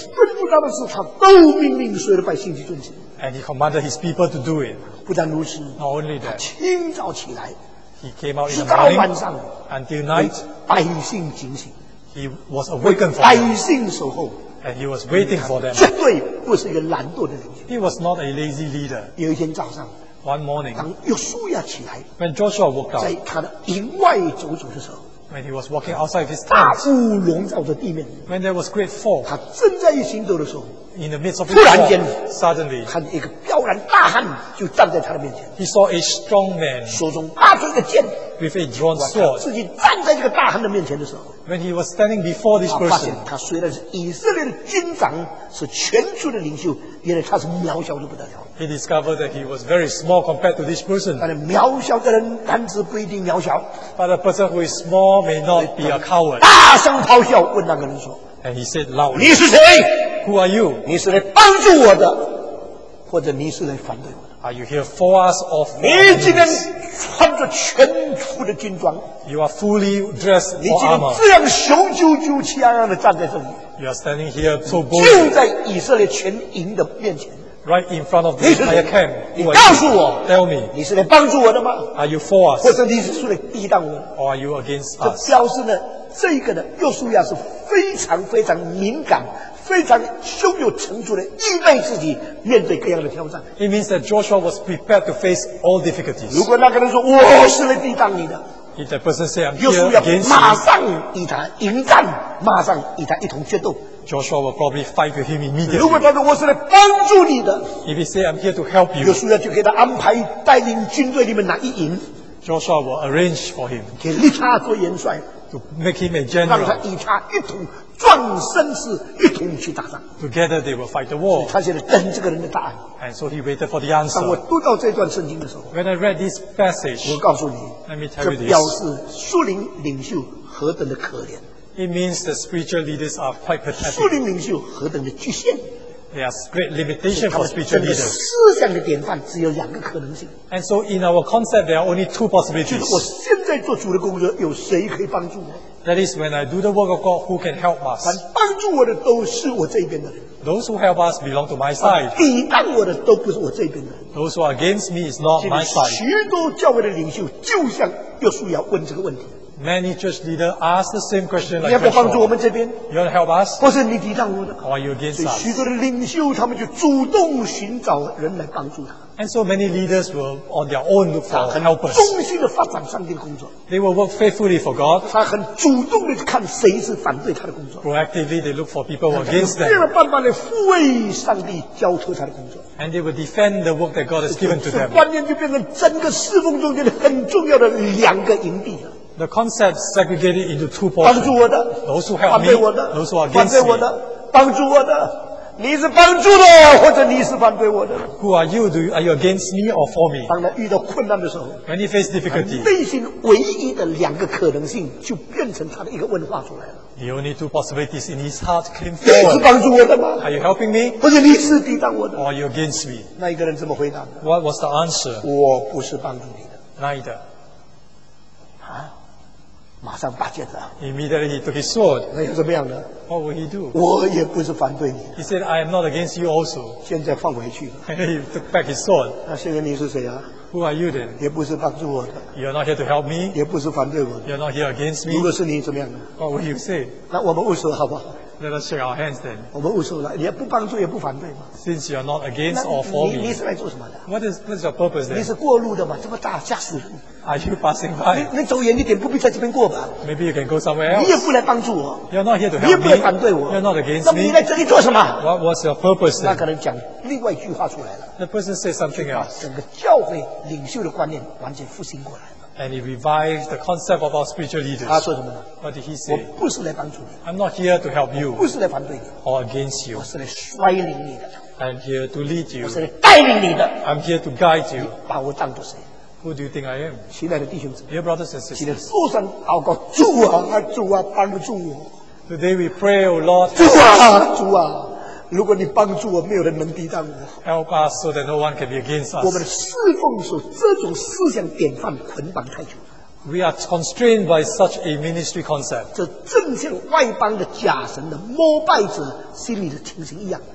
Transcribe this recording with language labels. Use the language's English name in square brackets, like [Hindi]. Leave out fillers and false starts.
[Chinese] 神吩咐他的事，他都命令所有的百姓去遵行。 [English] And he commanded his people to do it. [Chinese] 不但如此 [English] ，Not only that. [Chinese] 他清早起来。 [English] He came out in the morning. [Chinese] 直到晚上。 [English] Until night. [Chinese] 百姓警醒。 [English] He was awakened for them. [Chinese] 百姓守候。 [English] And he was waiting for them. [Chinese] 绝对不是一个懒惰的领袖。 [English] He was not a lazy leader. [Chinese] 有一天早上。 [English] One morning, [Chinese] 当约书亚起来 [English] when Joshua woke up, [Chinese] 在他的营外走走的时候 [English] when he was walking outside his tent, [Chinese] 大雾笼罩着地面 [English] when there was great fog, [Chinese] 他正在行走的时候 [English] in the midst of his fog, [Chinese] 突然间 [English] suddenly, [Chinese] 看一个彪然大汉就站在他的面前 [English] he saw a strong man, [Chinese] 手中拿着一个剑 [English] with a drawn sword, [Chinese] 自己站在这个大汉的面前的时候 [English] when he was standing before this person, [Chinese] 发现他虽然是以色列的军长是全族的领袖原来他是渺小的不得了 [English] He discovered that he was very small compared to this person. [Chinese] 但是渺小的人，男子不一定渺小。 [English] But a person who is small may not be a coward. [Chinese] 大声咆哮，问那个人说。 [English] And he said loudly, [Chinese] 你是谁 [English] ？Who are you？ [Chinese] 你是来帮助我的，或者你是来反对我的 [English] ？Are you here for us or for [Chinese] us？ 你今天穿着全副的军装。 [English] You are fully dressed for armor. [Chinese] 你今天这样雄赳赳气昂昂的站在这里。 [English] You are standing here so boldly. [Chinese] 就在以色列全营的面前。 [English] Right in front of the entire camp. [Chinese] 你告诉我 [English] ，Tell me， [Chinese] 你是来帮助我的吗 [English] ？Are you for us？ [Chinese] 或者你是出来抵挡我 [English] ？Or are you against us？ [Chinese] 这表示呢，这个呢，约书亚是非常非常敏感、非常胸有成竹的预备自己面对各样的挑战。 [English] It means that Joshua was prepared to face all difficulties. [Chinese] 如果那个人说我是来抵挡你的 [English] ，If that person say I'm here against you， [Chinese] 马上与他迎战，马上与他一同决斗。 [English] Joshua will probably fight with him immediately. [Chinese] 如果他说我是来帮助你的 [English] ，If he say I'm here to help you， [Chinese] 约书亚就给他安排带领军队里面哪一营 [English] ，Joshua will arrange for him， [Chinese] 给利他做元帅 [English] ，to make him a general， [Chinese] 让他与他一同壮声势，一同去打仗。 [English] Together they will fight the war。 [Chinese] 他现在等这个人的答案。 [English] And so he waited for the answer。 [Chinese] 当我读到这段圣经的时候 [English] ，When I read this passage， [Chinese] 我告诉你 [English] ，Let me tell you this， [Chinese] 这表示属灵领袖何等的可怜。 [English] It means the spiritual leaders are quite pathetic. [Chinese] 属灵领袖何等的局限。 [English] There are great limitations for spiritual leaders. [Chinese] 思想的典范只有两个可能性。 [English] And so in our concept, there are only two possibilities. [Chinese] 就是我现在做主的工作，有谁可以帮助我 [English] ？That is when I do the work of God, who can help us? [Chinese] 凡帮助我的都是我这边的人。 [English] Those who help us belong to my side. [Chinese] 抵挡我的都不是我这边的人。 [English] Those who are against me is not my side. [Chinese] 许多教会的领袖就像约书亚问这个问题。 [English] Many church leaders ask the same question like [Chinese] 你要不要帮助我们这边 [English] ？You want to help us？ [Chinese] 或是你抵挡我的 [English] ？Or are you against us？ [Chinese] 所以许多的领袖他们就主动寻找人来帮助他。 [English] And so many leaders will on their own look for helpers. [Chinese] 忠心的发展上帝的工作。 [English] They will work faithfully for God. [Chinese] 他很主动的看谁是反对他的工作。 [English] Proactively they look for people against them. [Chinese] 他们用尽了办法来护卫上帝交托他的工作。 [English] And they will defend the work that God has given to them. [Chinese] 这观念就变成整个侍奉中间很重要的两个营地了。 [English] The concept segregated into two portions. [Chinese] 帮助我的 [English] ，those who help me， [Chinese] 反对我的 [English] ，those who are against me， [Chinese] 反对我的，帮助我的，你是帮助的，或者你是反对我的。 [English] Who are you? Do you are you against me or for me? [Chinese] 当他遇到困难的时候 [English] ，when he faces difficulty， [Chinese] 内心唯一的两个可能性就变成他的一个问话出来了。 [English] The only two possibilities in his heart came forward. [Chinese] 你是帮助我的吗 [English] ？Are you helping me? [Chinese] 或者你是抵挡我的 [English] ？Or are you against me? [Chinese] 那一个人怎么回答 [English] ？What was the answer? [Chinese] 我不是帮助你的。 [English] Neither. [Chinese] 啊？马上拔剑了。 [English] Immediately he took his sword. [Chinese] 那又怎么样呢 [English] ？What would he do? [Chinese] 我也不是反对你。 [English] He said, "I am not against you also." [Chinese] 现在放回去。 [English] And he took back his sword. [Chinese] 那现在你是谁啊 [English] ？Who are you then? [Chinese] 也不是帮助我的。 [English] You're not here to help me. [Chinese] 也不是反对我的。 [English] You're not here against me. [Chinese] 如果是你怎么样呢 [English] ？What would you say? [Chinese] 那我们握手好不好 [English] ？Let us shake our hands then. [Chinese] 我们握手了，你也不帮助也不反对嘛。 [English] Since you're not against or for me. [Chinese] 你是来做什么的 [English] ？What is your purpose then? [Chinese] 你是过路的嘛？这么大，吓死人。 [English] Are you passing by? [Chinese] 你走远一点，不必在这边过吧。 [English] Maybe you can go somewhere else. [Chinese] 你也不来帮助我。 [English] You're not here to help me. [Chinese] 你也不来反对我。 [English] You're not against me. [Chinese] 那你来这里做什么 [English] ？What's your purpose? [Chinese] 那可能讲另外一句话出来了。 [English] The person says something else. [Chinese] 整个教会领袖的观念完全复兴过来了。 [English] And he revived the concept of our spiritual leaders. [Chinese] 他说什么呢 [English] ？What did he say? [Chinese] 我不是来帮助你。 [English] I'm not here to help you. [Chinese] 不是来反对你。 [English] Or against you. [Chinese] 我是来率领你的。 [English] I'm here to lead you. [Chinese] 我是来带领你的。 [English] I'm here to guide you. [Chinese] 你把我当作谁？ [English] Who do you think I am? [Chinese] 亲爱的弟兄姊妹 [English] Dear brothers and sisters. [Chinese] 请你说声祷告主啊主啊帮助我 [English] Today we pray, O Lord. [Chinese] 主啊主啊如果你帮助我没有人能抵挡我 [English] Help us so that no one can be against us. [Chinese] 我们侍奉所这种思想典范捆绑太久 [English] We are constrained by such a ministry concept. [Chinese] 这正像外邦的假神的膜拜者心里的情形一样。